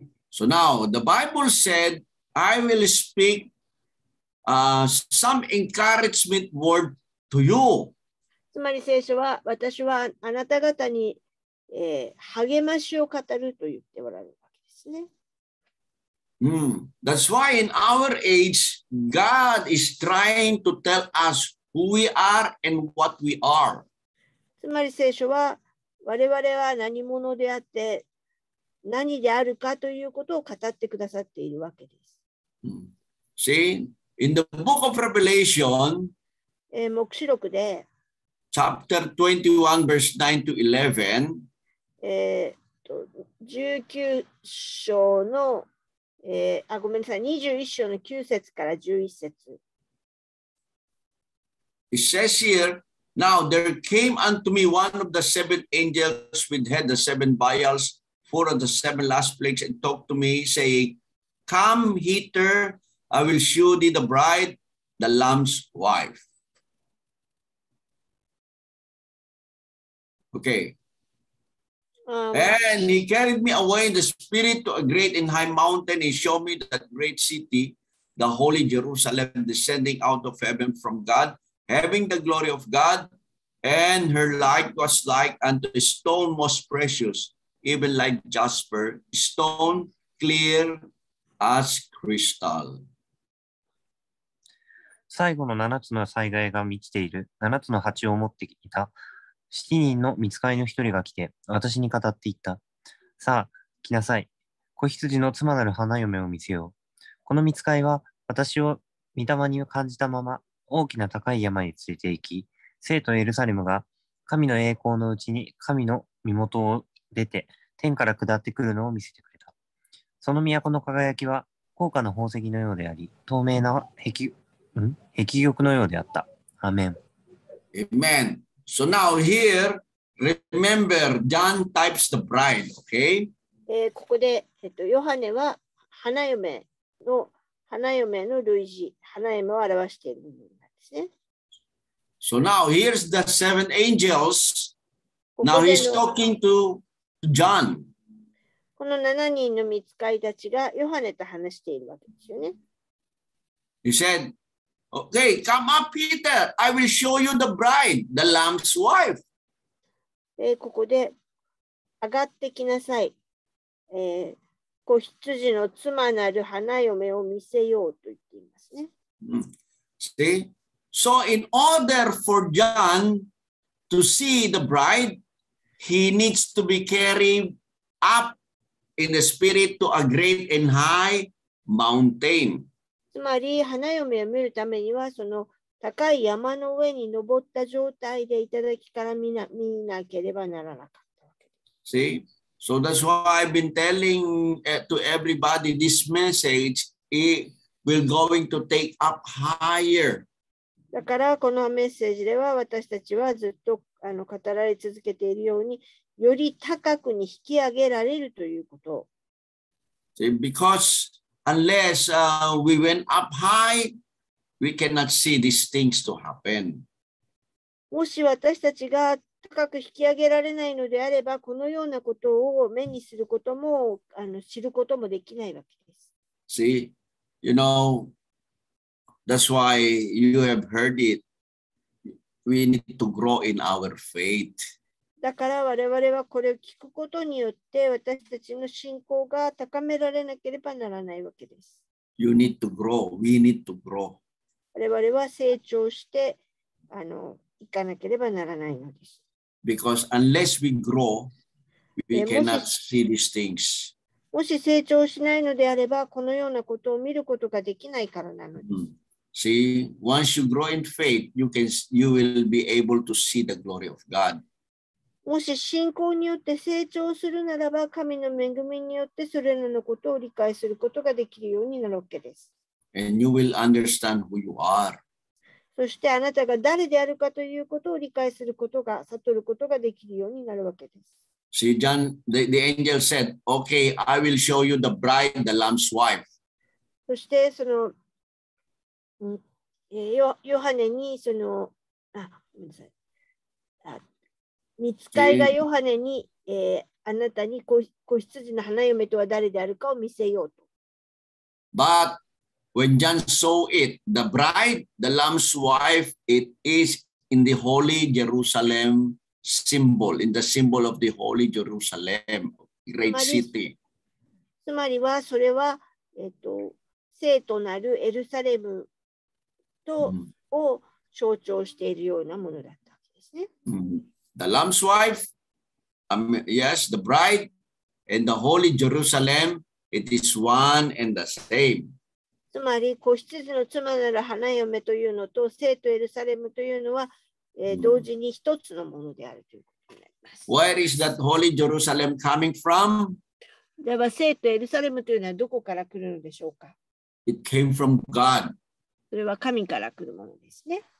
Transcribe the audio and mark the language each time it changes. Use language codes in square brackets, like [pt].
[en] So now the Bible said, I will speak some encouragement word to you. [ja] つまり聖書は私はあなた方に、励ましを語ると言っておられるわけですね。 [en] That's why in our age, God is trying to tell us who we are and what we are. [ja] つまり聖書は我々は何者であって何であるかということを語ってくださっているわけです。 [en] See, in the book of Revelation, [ja] 黙示録で [en] Chapter 21 verse 9 to 11 [ja] 19章の、ごめんなさい、21章の9節から11節。 [en] It says here, now there came unto me one of the seven angels which had the seven vials, four of the seven last plagues, and talked to me, saying, Come hither, I will show thee the bride, the Lamb's wife. Okay. And he carried me away in the spirit to a great and high mountain. He showed me that great city, the holy Jerusalem, descending out of heaven from God, having the glory of God, and her light was like unto a stone most precious, even like jasper, stone clear as crystal. [ja] 最後の七つの災害が満ちている七つの鉢を持ってきた七人の御使いの一人が来て、私に語っていった。さあ、来なさい。子羊の妻なる花嫁を見せよう。この御使いは、私を御霊に感じたまま、大きな高い山に連れて行き、聖都エルサレムが、神の栄光のうちに神の身元を出て、天から下ってくるのを見せてくれた。その都の輝きは、高価な宝石のようであり、透明な壁玉のようであった。アメン。アメン。 [en] So now here, remember, John types the bride, okay? [ja] ここで、ヨハネは花嫁の、花嫁の類似、花嫁を表しているんですね。 [en] So now here's the seven angels. Now he's talking to John. [ja] この7人の見つかりたちがヨハネと話しているわけですよね。 [en] He said,Okay, come up, Peter. I will show you the bride, the Lamb's wife. [ja] ここで上がってきなさい。子羊の妻なる花嫁を見せようと言っていますね。 [en] See? So in order for John to see the bride, he needs to be carried up in the spirit to a great and high mountain. [ja] つまり花嫁を見るためにはその高い山の上に登った状態でいただきから見なければならなかったわけです。 [en] See? So that's why I've been telling to everybody this message. It will going to take up higher. [ja] だからこのメッセージでは私たちはずっと語られ続けているようにより高くに引き上げられるということ。 [en] See? BecauseUnless we went up high, we cannot see these things to happen. [ja] もし私たちが高く引き上げられないのであれば、このようなことを目にすることも知ることもできないわけです。 [en] See, you know, that's why you have heard it. We need to grow in our faith. [ja] だから我々はこれを聞くことによって私たちの信仰が高められなければならないわけです。 [en] You need to grow. We need to grow. [ja] 我々は成長して行かなければならないのです。 [en] Because unless we grow, we cannot see these things. [ja] もし成長しないのであれば、このようなことを見ることができないからなのです。 [en] See, once you grow in faith, you will be able to see the glory of God. [ja] もし信仰によって成長するならば、神の恵みによってそれらのことを理解することができるようになるわけです。 [en] And you will understand who you are. [ja] そしてあなたが誰であるかということを理解することが、悟ることができるようになるわけです。 [en] See, John, the angel said, Okay, I will show you the bride, the Lamb's wife. [ja] そしてその、ヨハネにその、ごめんなさい。見つかりがヨハネに、あなたに子羊の花嫁とは誰であるかを見せようと。 [en] But when John saw it, the bride, the Lamb's wife, it is in the Holy Jerusalem symbol, in the symbol of the Holy Jerusalem, great city. [ja] つまりはそれは、聖となるエルサレムと、を象徴しているようなものだったわけですね。 [en] The Lamb's wife, yes, the bride, and the Holy Jerusalem, it is one and the same. [ja] つつまり子羊の妻なる花嫁というのと聖とエルサレムというのは、同時に一つのものであるということになります。 [en] Where is that holy Jerusalem coming from? [ja] では聖とエルサレムというのはどこから来るのでしょうか。 [en] It came from God. [ja] それは神から来るものですね。